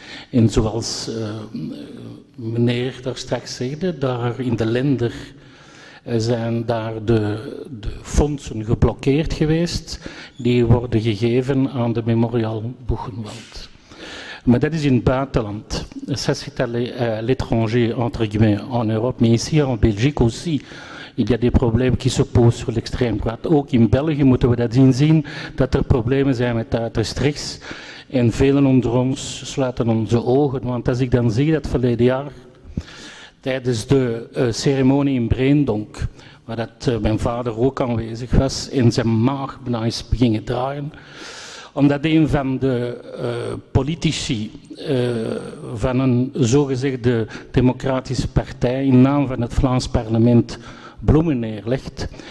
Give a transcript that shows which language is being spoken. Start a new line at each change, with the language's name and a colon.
Dutch: En zoals meneer daar straks zei, daar in de Lender zijn daar de fondsen geblokkeerd geweest. Die worden gegeven aan de Memorial Buchenwald. Maar dat is in het buitenland.
French: Ça c'est à l'étranger, entre guillemets, en Europe. Mais ici, en Belgique aussi, il y a des problèmes qui se posent sur l'extrême droite.
Dutch: Ook in België moeten we dat inzien, dat er problemen zijn met de uiterst rechts. En velen onder ons sluiten onze ogen. Want als ik dan zie dat verleden jaar, tijdens de ceremonie in Breendonk, waar dat mijn vader ook aanwezig was en zijn maag bijna eens begonnen draaien, omdat een van de politici van een zogezegde democratische partij in naam van het Vlaams parlement bloemen neerlegt.